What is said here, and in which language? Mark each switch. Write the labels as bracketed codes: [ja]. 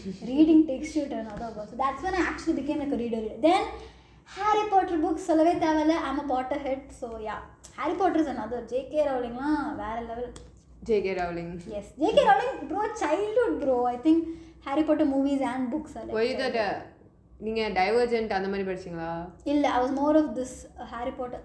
[en] Reading takes you to another world. So that's when I actually became like a reader. Then Harry Potter books [ta] solave thevalla. [en] I'm a Potterhead, so yeah. Harry Potter is another. J.K. [ta] Rowling, வேற level. [en] J.K. Rowling. Yes. J.K. Rowling, bro, childhood, bro. I think Harry Potter movies and books are like... Were you that... [ta] நீங்க divergent அந்த மாதிரி படிச்சீங்களா? [en] இல்ல, I was more of this Harry Potter.